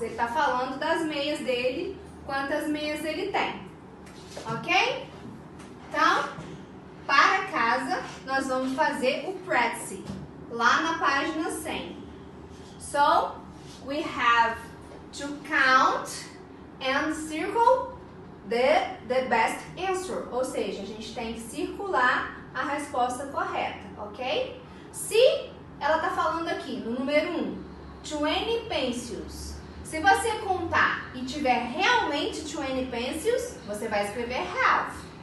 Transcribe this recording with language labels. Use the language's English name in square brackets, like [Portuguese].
[Portuguese] Ele está falando das meias dele, quantas meias ele tem. Ok? Então, para casa, nós vamos fazer o practice lá na página 100. [English] So, we have to count and circle the best answer. [Portuguese] Ou seja, a gente tem que circular a resposta correta, ok? Se ela está falando aqui, no número 1, 20 pencils. Se você contar e tiver realmente 20 pencils, você vai escrever have.